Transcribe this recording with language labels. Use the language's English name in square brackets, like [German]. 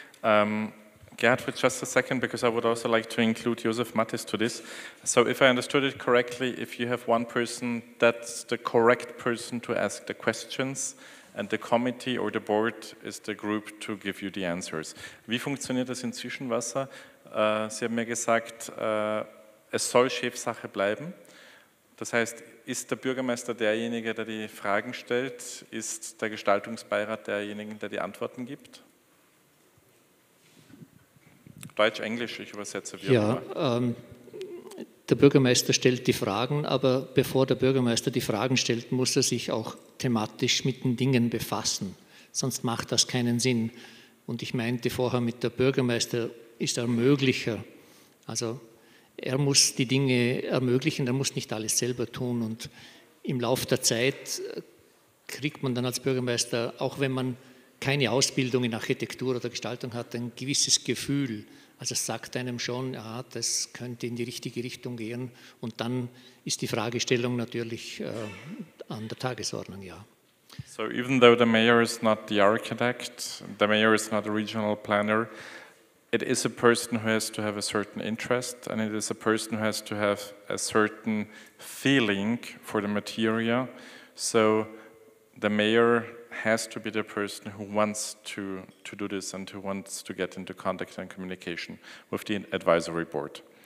[English] Gerhard, for just a second, because I would also like to include Josef Matthies to this. So if I understood it correctly, if you have one person, that's the correct person to ask the questions, and the committee or the board is the group to give you the answers. [German] Wie funktioniert das in Zwischenwasser? Sie haben mir gesagt, es soll Chefsache bleiben. Das heißt, ist der Bürgermeister derjenige, der die Fragen stellt? Ist der Gestaltungsbeirat derjenige, der die Antworten gibt? Deutsch, Englisch, ich übersetze. Ja, der Bürgermeister stellt die Fragen, aber bevor der Bürgermeister die Fragen stellt, muss er sich auch thematisch mit den Dingen befassen. Sonst macht das keinen Sinn. Und ich meinte vorher, mit der Bürgermeister ist er möglicher. Also er muss die Dinge ermöglichen, er muss nicht alles selber tun. Und im Laufe der Zeit kriegt man dann als Bürgermeister, auch wenn man keine Ausbildung in Architektur oder Gestaltung hat, ein gewisses Gefühl. Also es sagt einem schon, ja, das könnte in die richtige Richtung gehen. Und dann ist die Fragestellung natürlich an der Tagesordnung, ja. [English] So even though the mayor is not the architect, the mayor is not a regional planner, it is a person who has to have a certain interest and it is a person who has to have a certain feeling for the material. So the mayor has to be the person who wants to do this and who wants to get into contact and communication with the advisory board.